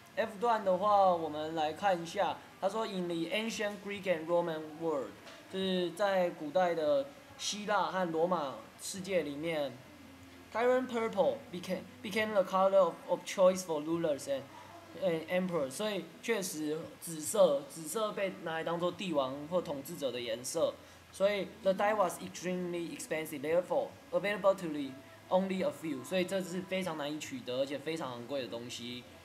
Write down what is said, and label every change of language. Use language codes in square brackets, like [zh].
[zh] F 段的话我们来看一下，他说 [en] In the ancient Greek and Roman world， [zh] 就是在古代的希腊和罗马世界里面， [en] Tyran purple became the color of choice for rulers and emperors。 [zh] 所以确实紫色被拿来当作帝王或统治者的颜色。所以 [en] the dye was extremely expensive, therefore available to the only a few. [zh] 所以这是非常难以取得，而且非常昂贵的东西。